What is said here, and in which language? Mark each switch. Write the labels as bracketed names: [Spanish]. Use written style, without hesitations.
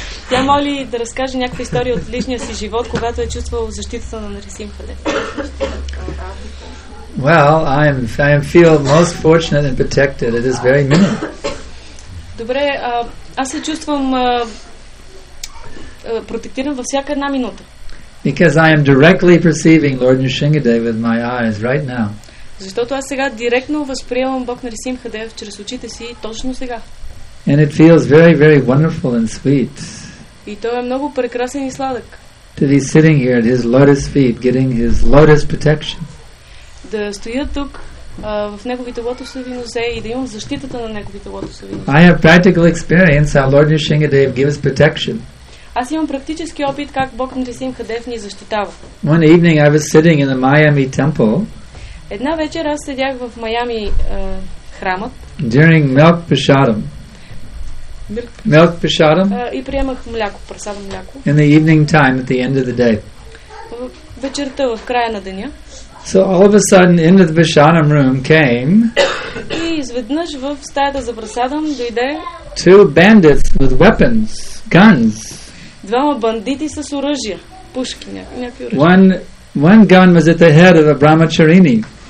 [Bulgarian] Тя моли да разкаже някаква история от личния си живот, когато е чувствал защитата на Нарисимхаде. [English] Well, I feel most fortunate and protected at this very minute. [Bulgarian] Добре, аз се чувствам протектиран във всяка една минута. [English] Because I am directly perceiving Lord Nrsimhadev with my eyes right now. [Bulgarian] Защото аз сега директно възприемам Бог Нарисимхадев чрез очите си точно сега. [English] And it feels very, very wonderful and sweet. [Bulgarian] И то е много прекрасен и сладък. [English] To be sitting here at his lotus feet, getting his lotus protection. [Bulgarian] Да стоя тук в неговите лотосови нозе и да имам защитата на неговите лотосови нозе. [English] I have practical experience how Lord Nrsimhadev gives protection. [Bulgarian] Аз имам практически опит как Бог Нрсимхадев ни защитава. [English] One evening I was sitting in the Miami temple. [Bulgarian] Една вечер аз седях в Майами храмът. [English] During milk prasadam. Milk prasadam. [Bulgarian] И приемах мляко, прасадно мляко. [English] In the evening time at the end of the day. [Bulgarian] Вечерта в края на деня. [English] So all of a sudden into the prasadam room came. [Bulgarian] И изведнъж в стаята за прасадам дойде [English] two bandits with weapons, guns. [Bulgarian] Двама бандити с оръжия, пушки, някакви оръжия. [English] One gun was at the head of a Brahmacharini.